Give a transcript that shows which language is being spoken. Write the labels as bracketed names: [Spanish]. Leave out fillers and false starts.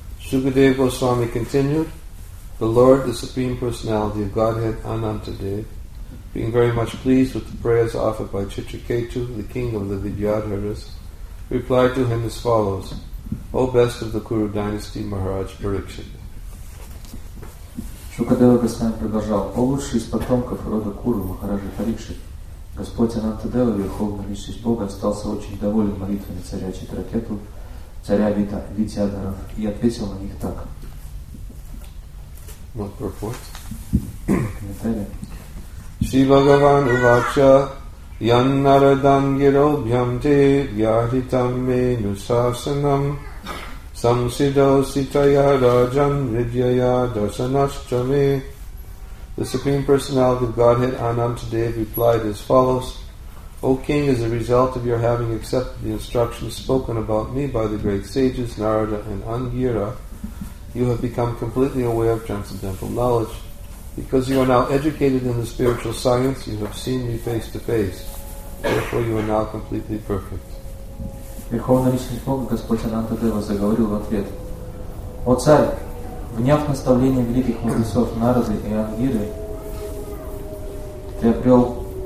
[English] Шукадева Госвами continued, the Lord, the Supreme Personality of Godhead, Anantadev, being very much pleased with the prayers offered by Chitraketu, the king of the Vidyadharas, replied to him as follows, O best of the Kuru dynasty, Maharaj Parikshit. [Russian] Shukadeva Goswami продолжал, О лучший из потомков рода Куру, Махараджа Парикшит, Господь Анантадева, Верховный Личность Бога, остался очень доволен молитвами царя Читракету, царя Витядаров, и ответил на них так. [English] What purport? [Russian] Комментарий. [Sanskrit] Shri Bhagavan Uvacha Yannaradam Girobhyam Te Vyahitam Menusasanam Samsido Sitaya Rajan Vidyaya Dasanaschame. [English] The Supreme Personality of Godhead, Anantadev, replied as follows, O King, as a result of your having accepted the instructions spoken about me by the great sages Narada and Angira, you have become completely aware of transcendental knowledge. Because you are now educated in the spiritual science, you have seen me face to face. Therefore, you are now completely perfect. [Russian] Верховная Личность Бога, Господь Анантадева, заговорил в ответ. О царь, вняв наставление великих мудрецов Нарады и Ангиры, ты обрел...